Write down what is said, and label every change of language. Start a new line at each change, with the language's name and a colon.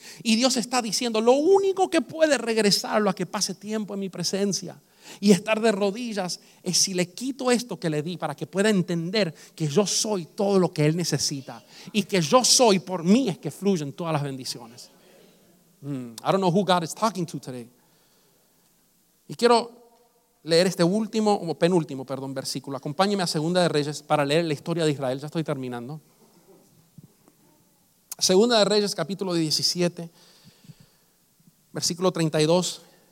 Spanish: Y Dios está diciendo, lo único que puede regresarlo a que pase tiempo en mi presencia y estar de rodillas es si le quito esto que le di, para que pueda entender que yo soy todo lo que él necesita y que yo soy, por mí es que fluyen todas las bendiciones.
English: I don't know who God is talking to today.
Spanish: Y quiero leer este último, o penúltimo, perdón, versículo. Acompáñeme a Segunda de Reyes para leer la historia de Israel. Ya estoy terminando. Segunda de Reyes, capítulo 17, versículo 32.